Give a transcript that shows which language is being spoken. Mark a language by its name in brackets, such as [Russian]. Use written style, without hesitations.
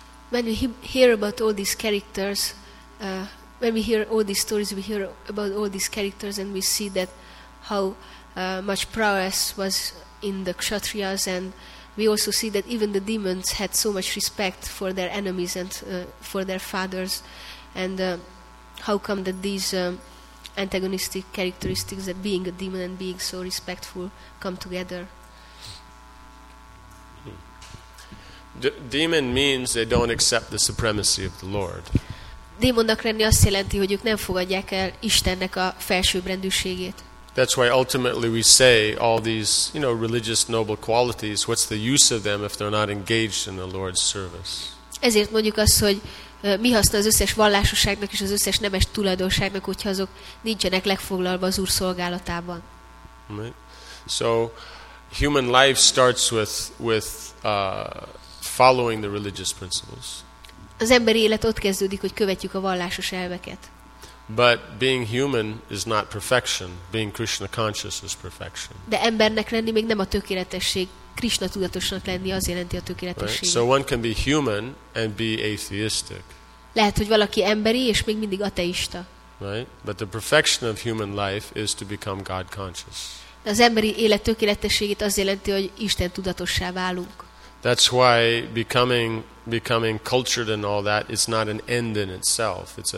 [English] When we hear about all these characters, when we hear all these stories, we hear about all these characters, and we see that how much prowess was in the Kshatriyas, and we also see that even the demons had so much respect for their enemies and for their fathers. And how come that these antagonistic characteristics, that being a demon and being so respectful, come together? Demon means they don't accept the supremacy of the Lord. [Hungarian] Démonnak lenni azt jelenti, hogy ők nem fogadják el Istennek a felsőbbrendűségét. [English] That's why ultimately we say all these, you know, religious noble qualities, what's the use of them if they're not engaged in the Lord's service? [Hungarian] Ezért mondjuk azt, hogy mi haszna az összes vallásosságnak és az összes nemes tulajdonságnak, hogyha azok nincsenek legfoglalva az Úr szolgálatában. [English] Right. So human life starts with following the religious principles. [Hungarian] Az emberi élet ott kezdődik, hogy követjük a vallásos elveket. [English] But being human is not perfection. Being Krishna conscious is perfection. [Hungarian] De embernek lenni még nem a tökéletesség. Krishna tudatosnak lenni az jelenti a tökéletesség. [English] Right? So one can be human and be atheistic. [Hungarian] Lehet, hogy valaki emberi és még mindig ateista. [English] Right? But the perfection of human life is to become God conscious. [Hungarian] De az emberi élet tökéletességét az jelenti, hogy Isten tudatossá válunk. [English] That's why becoming cultured and all that is not an end in itself.